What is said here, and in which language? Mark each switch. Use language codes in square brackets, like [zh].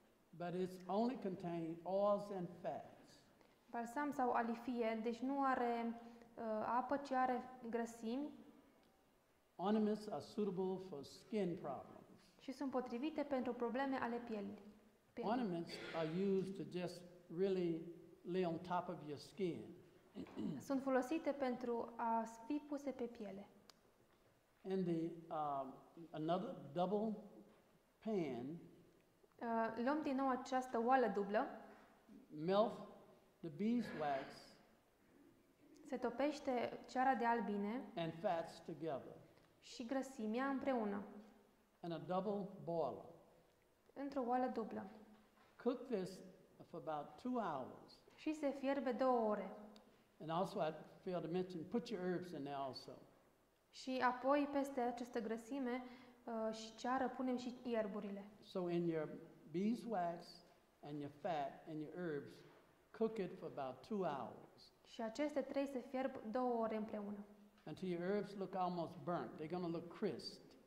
[en] But it's only contained oils and fats. [ro] Balsam sau alifie, deci nu are apă, ci are grăsimi. [en] Ointments are suitable for skin problems. [ro] Și sunt potrivite pentru probleme ale pielii. [en] Ointments are used to just really lay on top of your skin. [ro] Sunt folosite pentru a fi puse pe piele. [en] And the another double pan. [ro] Luăm din nou această oală dublă. [en] Melt the beeswax. [ro] Se topește ceara de albine. [en] And fats together. [ro] Și grăsimea împreună. [en] And a double boil. [ro] Într-o oală dublă. [en] Cook this for about 2 hours. [ro] Și se fierbe 2 ore. [en] And also I failed to mention, put your herbs in there also. [ro] Și apoi peste această grăsime și ceară punem și ierburile. [en] So in your beeswax and your fat and your herbs, cook it for about 2 hours. [ro] Și aceste trei se fierb 2 ore împreună. [en] Until your herbs look almost burnt, they're going to look crisp.